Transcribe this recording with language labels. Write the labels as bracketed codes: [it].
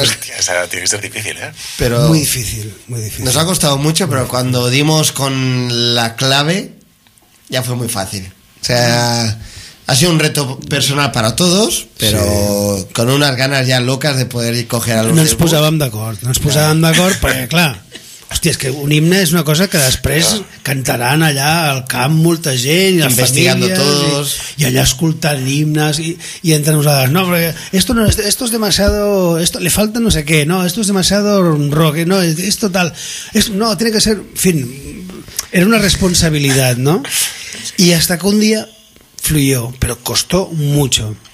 [es] Hostia, o sea, tiene que ser difícil, ¿eh? Pero muy difícil, muy difícil. Nos ha costado mucho, pero cuando dimos con la clave, ya fue muy fácil. O sea, ha sido un reto personal para todos, pero sí, con unas ganas ya locas de poder ir coger a los demás. [ca] No ens posàvem d'acord, perquè clar, hòstia, és que un himne és una cosa que després cantaran allà al camp molta gent, i les investigando tots, [es] i allà escoltant himnes, i entre nosaltres, no, perquè esto es demasiado, esto le falta no sé què, no, esto es demasiado rock, no, es total, es, no, tiene que ser, en fin, era una responsabilidad, ¿no? Y hasta que un día fluyó, pero costó mucho.